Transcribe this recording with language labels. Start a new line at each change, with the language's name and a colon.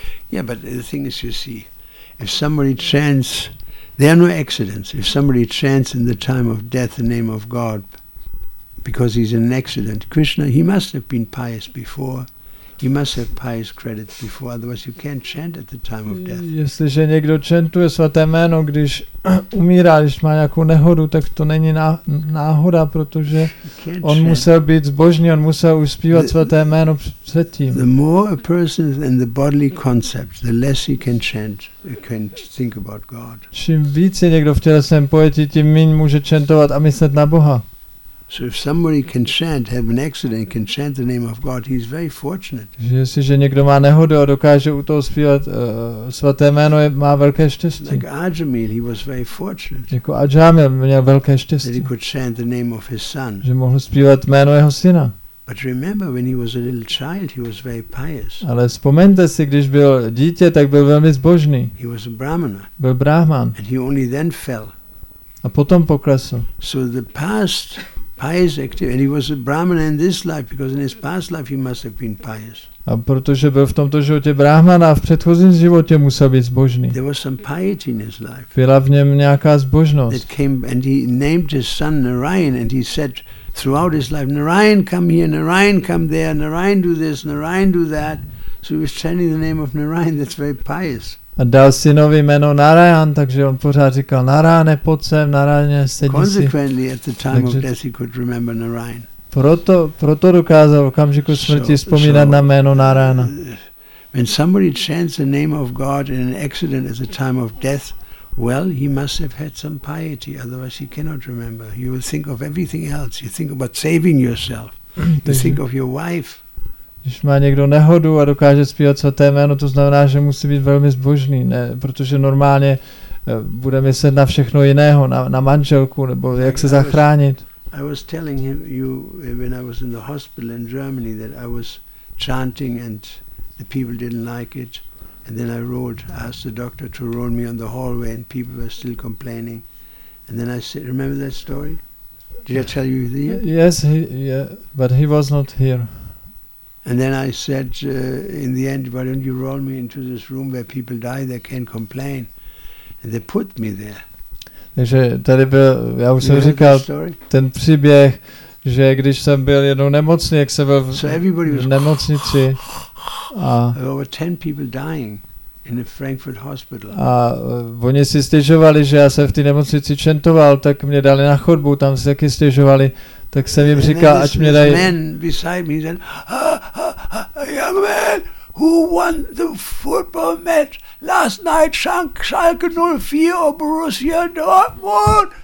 English: Yeah, but the thing is, you see, if somebody chants, there are no accidents. If somebody chants in the time of death the name of God because he's in an accident, Krishna, he must have been pious before. You must have pious credits before, otherwise you can't chant at the time of death.
Czech: Jestliže někdo chantuje svaté jméno, když umírá, když má nějakou nehodu, tak to není náhoda, protože on musel být zbožný, on musel už zpívat svaté jméno předtím.
English: The more a person is in the bodily concept, the less he can chant, he can think about God.
Czech: Čím více někdo v tělesném pojetí, tím míň může chantovat a myslet na Boha.
English: So if somebody can chant, have an accident, can chant the name of God, he's very fortunate.
Czech: Že jestliže někdo má nehodu a dokáže u toho zpívat svaté jméno, má velké štěstí.
English: Like Ajamil, he was very fortunate.
Czech: Jako Ajamil měl velké štěstí.
English: That he could chant the name of his son.
Czech: Že mohl zpívat jméno jeho syna.
English: But remember, when he was a little child, he was very pious.
Czech: Ale vzpomeňte si, když byl dítě, tak byl velmi zbožný.
English: He was a brahmana.
Czech: Byl brahman.
English: And he only then fell.
Czech: A potom poklesl.
English: So the past pious activity, and he was a brahmana in this life, because in his past life he must have been pious.
Czech: A protože byl v tomto životě brahmana, v předchozím životě musel být zbožný.
English: There was some piety in his life.
Czech: Byla v něm nějaká zbožnost.
English: That came, and he named his son Narayan, and he said throughout his life, Narayan come here, Narayan come there, Narayan do this, Narayan do that. So he was chanting the name of Narayan, that's very pious.
Czech: A dal synovi jméno Narayan, takže on pořád říkal Narayane, pojď sem, Narayane, sedni si.
English: Consequently, at the time of death, he could remember Narayan.
Czech: Proto dokázal v okamžiku smrti vzpomínat na jméno Narayana.
English: When somebody chants the name of God in an accident at the time of death, well, he must have had some piety, otherwise he cannot remember. You will think of everything else. You think about saving yourself. You think of your wife.
Czech: Když má někdo nehodu a dokáže zpívat svaté jméno, to znamená, že musí být velmi zbožný, ne? Protože normálně bude myslet na všechno jiného, na manželku, nebo jak se zachránit.
English: I was telling him, you when I was in the hospital in Germany that I was chanting and the people didn't like it, and then I wrote, asked the doctor to roll me on the hallway and people were still complaining, and then I said, remember that story? Did I tell you the? Yes, but he was not here. And then I said, in the end, why don't you roll me into this room where people die, they can't complain. And they put me there.
Czech: Takže tady byl, já už jsem říkal, ten příběh, že když jsem byl jednou nemocný, jak jsem byl v nemocnici.
English: Over 10 people dying in the Frankfurt hospital.
Czech: A oni si stěžovali, že já jsem v té nemocnici čentoval, tak mě dali na chodbu, tam se taky stěžovali. Tak jsem jim říkal, ať mě dají.
English: Man beside me said, a young man, who won the football match last night, Schalke 04 or Borussia Dortmund?